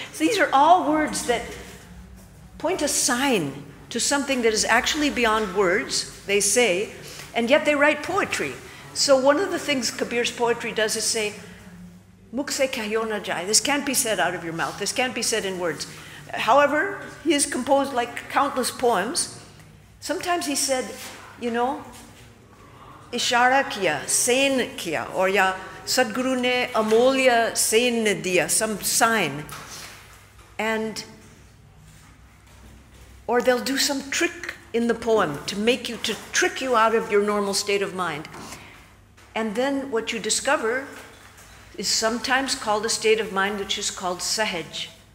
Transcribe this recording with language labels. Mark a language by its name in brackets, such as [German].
[English] So these are all words that point a sign to something that is actually beyond words, they say, and yet they write poetry. So one of the things Kabir's poetry does is say, [Hindi] Mukh se kahyo na jai, [English] this can't be said out of your mouth, this can't be said in words. However, he has composed like countless poems. Sometimes he said, you know, [Hindi] इशारा किया, San किया, [English] or [Hindi] या सद्गुरु ने अमोल्य San दिया, [English] some sign. And, or they'll do some trick in the poem to make you, to trick you out of your normal state of mind. And then what you discover is sometimes called a state of mind which is called sahaj.